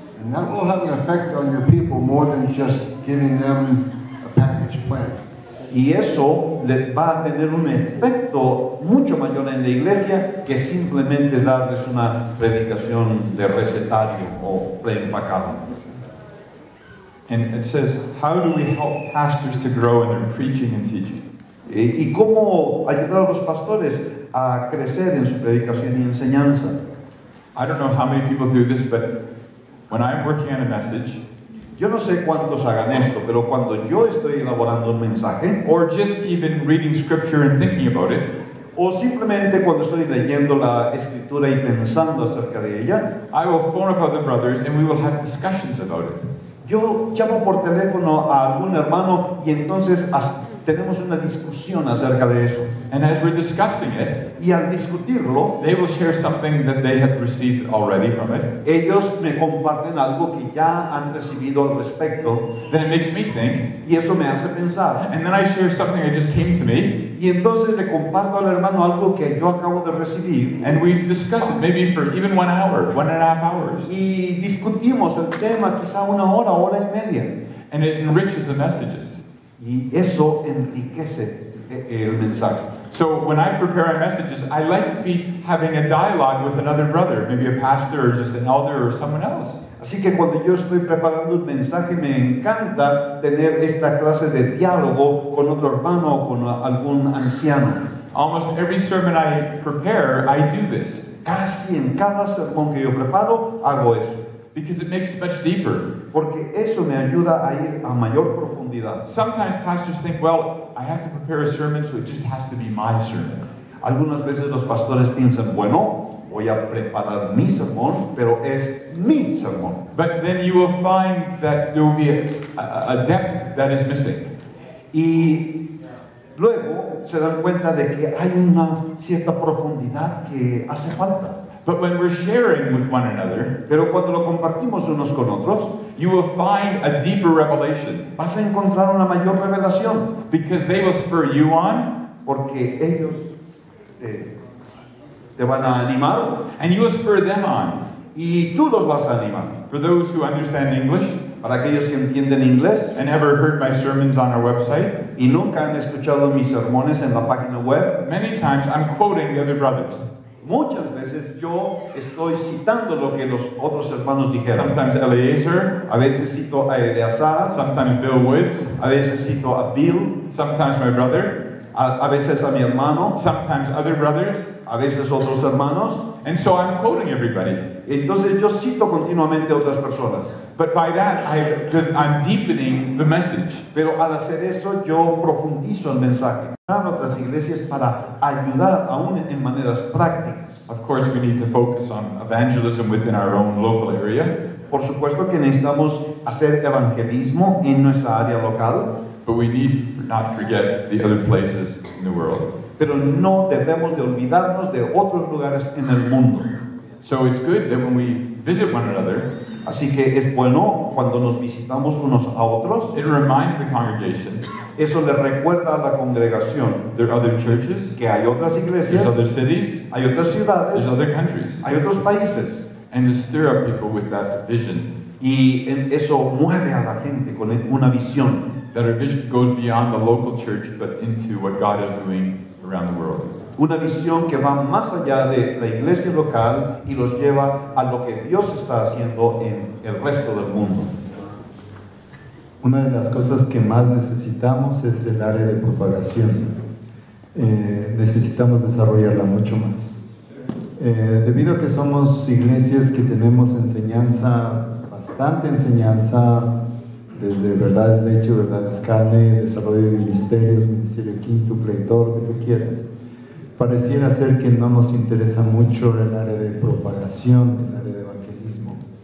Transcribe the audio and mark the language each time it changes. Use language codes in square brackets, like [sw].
[en] And that will have an effect on your people more than just giving them a packaged plan. [es] Y eso le va a tener un efecto mucho mayor en la iglesia que simplemente darles una predicación de recetario o preempacado. [en] And it says, how do we help pastors to grow in their preaching and teaching? [es] ¿Y cómo ayudar a los pastores a crecer en su predicación y enseñanza? [en] I don't know how many people do this, but when I'm working on a message, [es] yo no sé cuántos hagan esto, pero cuando yo estoy elaborando un mensaje, [en] or just even reading scripture and thinking about it, [es] o simplemente cuando estoy leyendo la escritura y pensando acerca de ella, [en] I will phone up other brothers and we will have discussions about it. [es] Yo llamo por teléfono a algún hermano y entonces tenemos una discusión acerca de eso. [en] And as we're discussing it, [es] y al discutirlo, [en] they will share something that they have received already from it. [es] Ellos me comparten algo que ya han recibido al respecto. [en] Then it makes me think. [es] Y eso me hace pensar. [en] And then I share something that just came to me. [es] Y entonces le comparto al hermano algo que yo acabo de recibir. [en] And we discuss it maybe for even 1 hour, 1.5 hours. [es] Y discutimos el tema quizá una hora, hora y media. [en] And it enriches the messages. [es] Y eso enriquece el mensaje. [en] So when I prepare my messages, I like to be having a dialogue with another brother, maybe a pastor or just an elder or someone else. [es] Así que cuando yo estoy preparando un mensaje, me encanta tener esta clase de diálogo con otro hermano o con algún anciano. [en] Almost every sermon I prepare, I do this. [es] Casi en cada sermón que yo preparo, hago eso. [en] Because it makes it much deeper. [es] Porque eso me ayuda a ir a mayor profundidad. [en] Sometimes pastors think, well, I have to prepare a sermon, so it just has to be my sermon. [es] Algunas veces los pastores piensan, bueno, voy a preparar mi sermón, pero es mi sermón. [en] But then you will find that there will be a depth that is missing. [es] Y luego se dan cuenta de que hay una cierta profundidad que hace falta. [en] But when we're sharing with one another, [es] pero cuando lo compartimos unos con otros, [en] you will find a deeper revelation. [es] Vas a encontrar una mayor revelación. [en] Because they will spur you on. [es] Porque ellos te van a animar. [en] And you will spur them on. [es] Y tú los vas a animar. [en] For those who understand English, [es] para aquellos que entienden inglés, [en] and ever heard my sermons on our website, [es] y nunca han escuchado mis sermones en la página web, [en] many times I'm quoting the other brothers. [es] Muchas veces yo estoy citando lo que los otros hermanos dijeron. [en] Sometimes Eliezer. [es] A veces cito a Eleazar. [en] Sometimes Bill Woods. [es] A veces cito a Bill. [en] Sometimes my brother. [es] A veces a mi hermano. [en] Sometimes other brothers. [es] A veces otros hermanos. [en] And so I'm quoting everybody. [es] Entonces yo cito continuamente otras personas. [en] But by that, I'm deepening the message. [es] Pero al hacer eso, yo profundizo el mensaje. En otras iglesias para ayudar aún en maneras prácticas. [en] Of course, we need to focus on evangelism within our own local area. [es] Por supuesto que necesitamos hacer evangelismo en nuestra área local. [en] But we need to not forget the other places in the world. [es] Pero no debemos de olvidarnos de otros lugares en el mundo. [en] So it's good that when we visit one another, [es] así que es bueno cuando nos visitamos unos a otros, [en] it reminds the congregation, [es] eso le recuerda a la congregación, [en] there are other churches, [es] que hay otras iglesias, [en] there's other cities, [es] hay otras ciudades, [en] there's other countries, [es] hay otros países, [en] and to stir up people with that vision, [es] y eso mueve a la gente con una visión, [en] that our vision goes beyond the local church but into what God is doing around the world. [es] Una visión que va más allá de la iglesia local y los lleva a lo que Dios está haciendo en el resto del mundo. Una de las cosas que más necesitamos es el área de propagación. Necesitamos desarrollarla mucho más. Debido a que somos iglesias que tenemos enseñanza, bastante enseñanza, desde verdad es leche, verdad es carne, desarrollo de ministerios, ministerio quíntuple, todo lo que tú quieras, pareciera ser que no nos interesa mucho el área de propagación, el área de evangelismo.